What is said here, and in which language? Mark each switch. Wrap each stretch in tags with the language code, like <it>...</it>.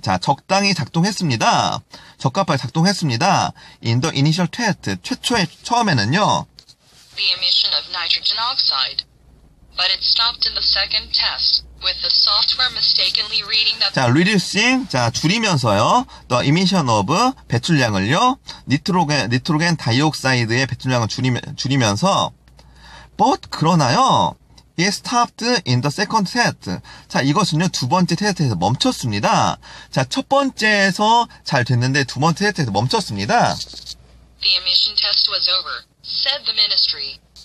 <ko>자, 적당히 작동했습니다. 적합하게 작동했습니다.</ko> <en>In the initial test.</en> <ko>처음에는요.</ko> <en>The emission of nitrogen oxide. But it stopped in the second test with the software mistakenly reading that.</en> <ko>자, reducing. 자, 줄이면서요.</ko> <en>The emission of</en> <ko>배출량을요. Nitrogen dioxide의 배출량을 줄이면서.</ko> <en>But,</en> <ko>그러나요.</ko> <en>It stopped in the second test.</en> <ko>자, 이것은요, 두 번째 테스트에서 멈췄습니다. 자, 첫 번째에서 잘 됐는데, 두 번째 테스트에서 멈췄습니다.</ko> <en>The emission test was over, said the ministry.</en>